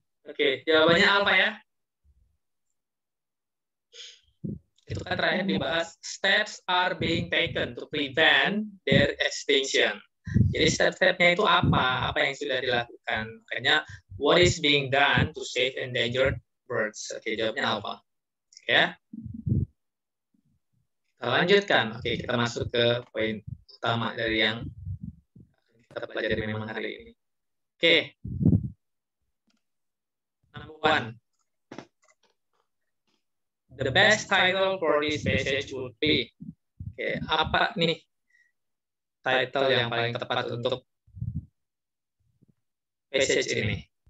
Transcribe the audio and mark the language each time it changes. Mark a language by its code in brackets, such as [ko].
[id] Oke, jawabannya apa ya? Itu kan terakhir dibahas, [en] steps are being taken to prevent their extinction. [id] Jadi step-stepnya itu apa? Apa yang sudah dilakukan? [en] Makanya, what is being done to save endangered birds? [id] Oke, jawabnya apa? Ya? Kita lanjutkan. Oke, kita masuk ke poin utama dari yang kita pelajari memang hari ini. Oke. [en] One, the best title for this passage would be, okay, [id] apa nih title yang paling tepat untuk passage ini?